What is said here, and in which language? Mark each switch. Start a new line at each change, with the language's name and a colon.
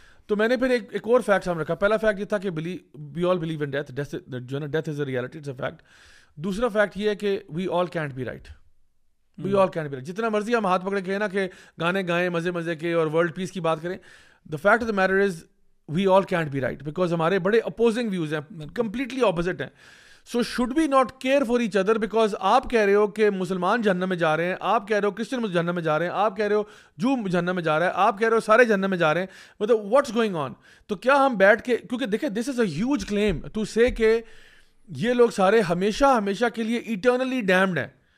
Hindi: तो मैंने फिर एक और फैक्ट सामने रखा, पहला फैक्ट ये था कि
English: we all believe in death,
Hindi: जो है ना
English: Death is a reality, it's a fact.
Hindi: दूसरा फैक्ट ये है कि
English: we all can't be right,
Hindi: we all cantt B right, जितना मर्जी हम हाथ पकड़े कहें ना कि गाने गाएं मजे मजे के और वर्ल्ड पीस की बात करें,
English: the fact of the matter is we all can't be right because
Hindi: हमारे बड़े
English: opposing views हैं, completely opposite हैं. So should we not care for each other?
Hindi: Because आप कह रहे हो कि मुसलमान जहन्नम में जा रहे हैं, आप कह रहे हो क्रिश्चियन जहन्नम में जा रहे हैं, आप कह रहे हो जू जहन्नम में जा रहा है, आप कह रहे हो सारे जहन्नम में जा रहे हैं, मतलब
English: what's going on?
Hindi: तो क्या हम बैठ के, क्योंकि देखे
English: this is a huge claim to say
Hindi: के ये लोग सारे हमेशा हमेशा के लिए
English: eternally damned
Hindi: हैं.